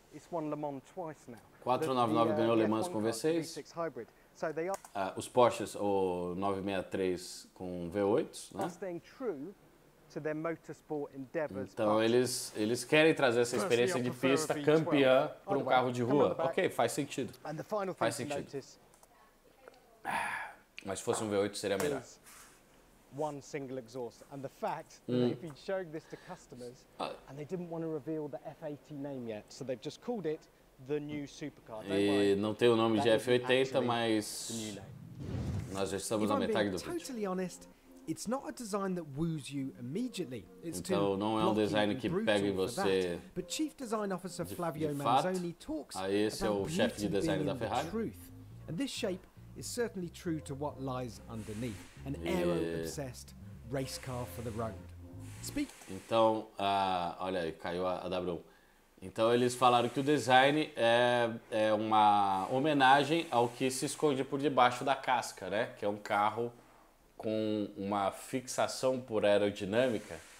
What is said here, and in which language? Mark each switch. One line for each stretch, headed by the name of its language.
English: It's won Le Mans twice now.
Portuguese: 499 ganhou Le Mans com V6.
English: So they are...
Portuguese: os Porsches, o 963 com V8, né?
English: Staying true to their motorsport endeavors.
Portuguese: Então eles querem trazer essa experiência de pista campeã para um carro de rua. Ok, faz sentido. Faz sentido. Mas se fosse um V8 seria melhor.
English: One single exhaust. And the fact that they've been showing this to customers and they didn't want to reveal the F80 name yet, so they've just called it the new supercar.
Portuguese: E não tem o nome de F80, mas nós já estamos na metade do vídeo.
English: It's not a design that woos you immediately. It's
Portuguese: então, não é um design que pega em você.
English: But Chief Design Officer Flavio Manzoni talks about
Portuguese: é o chefe de design da Ferrari.
English: Truth. And this shape is certainly true to what lies underneath. An aero-obsessed race car for the road. Speak.
Portuguese: Então, olha aí, caiu a W1. Então, eles falaram que o design é uma homenagem ao que se esconde por debaixo da casca, né? Que é um carro com uma fixação por aerodinâmica.